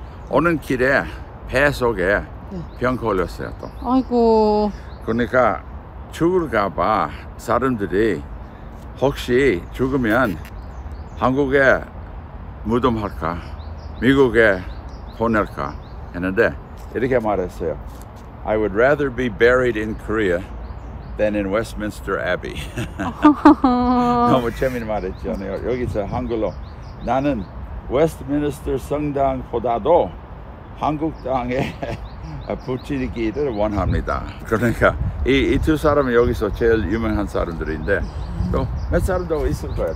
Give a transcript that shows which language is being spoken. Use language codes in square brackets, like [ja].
[ko] 오는 길에 배 속에 병 걸렸어요. 또. 아이고. 그러니까 죽을까 봐 사람들이 혹시 죽으면 한국에 무덤할까? 미국에 보낼까? 했는데 이렇게 말했어요. [en] I would rather be buried in Korea than in Westminster Abbey. [ko] 너무 재미있는 말이잖아요. 여기서 한글로 나는 웨스트민스터 성당보다도 한국 땅에 부치기를 원합니다. 그러니까 이 두 사람은 여기서 제일 유명한 사람들인데 또 몇 사람도 있을 거예요.